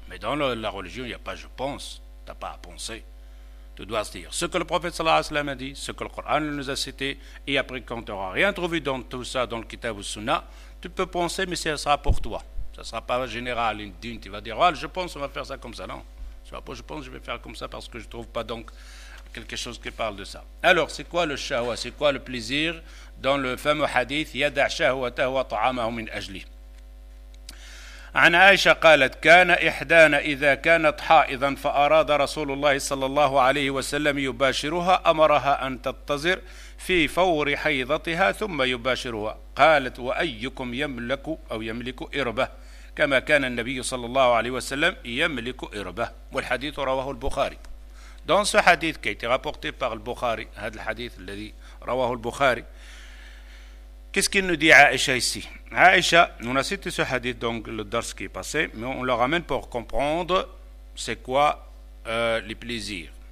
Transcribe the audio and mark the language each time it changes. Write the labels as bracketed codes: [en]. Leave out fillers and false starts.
[fr] Mais dans la religion, il n'y a pas je pense, tu n'as pas à penser. Tu dois dire ce que le prophète sallallahu alayhi wa sallam a dit, ce que le Coran nous a cité, et après quand tu n'auras rien trouvé dans tout ça, dans le kitab ou sunnah, tu peux penser, mais ce sera pour toi. Ce ne sera pas général, indigne, tu vas dire, oh, je pense, on va faire ça comme ça. Non, je pense, je vais faire comme ça parce que je ne trouve pas donc quelque chose qui parle de ça. Alors, c'est quoi le shahwa? C'est quoi le plaisir dans le fameux hadith, [ar] yada shahwata wa ta'amahu min ajli? عن عائشة قالت كان إحدانا إذا كانت حائضا فأراد رسول الله صلى الله عليه وسلم يباشرها أمرها أن تنتظر في فور حيضتها ثم يباشرها قالت وأيكم يملك أو يملك إربه كما كان النبي صلى الله عليه وسلم يملك إربه والحديث رواه البخاري. [fr] Dans ce hadith qui a été rapporté par le Bukhari, [ar] هذا الحديث الذي رواه البخاري. [fr] Qu'est-ce qu'il nous dit Aïcha ici? Aïcha, on a cité ce hadith, donc le dars qui est passé, mais on le ramène pour comprendre c'est quoi les plaisirs.